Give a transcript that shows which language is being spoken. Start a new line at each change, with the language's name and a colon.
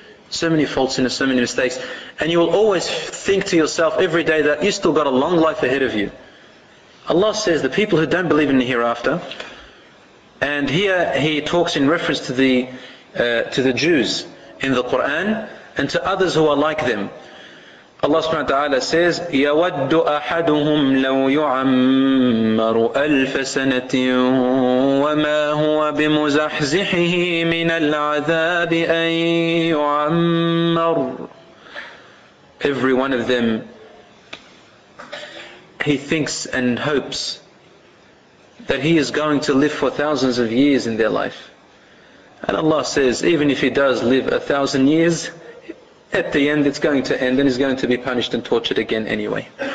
English: So many faults in it, so many mistakes. And you will always think to yourself every day that you still got a long life ahead of you. Allah says the people who don't believe in the hereafter, and here he talks in reference to the Jews in the Quran and to others who are like them. Allah subhanahu wa ta'ala says,
Arabic: يَوَدُّ أَحَدُهُمْ لَوْ يُعَمَّرُ أَلْفَ سَنَةٍ وَمَا هُوَ بِمُزَحْزِحِهِ مِنَ الْعَذَابِ أَنْ يُعَمَّرُ.
English: Every one of them, he thinks and hopes that he is going to live for thousands of years in their life. And Allah says, even if he does live 1,000 years, at the end it's going to end and he's going to be punished and tortured again anyway.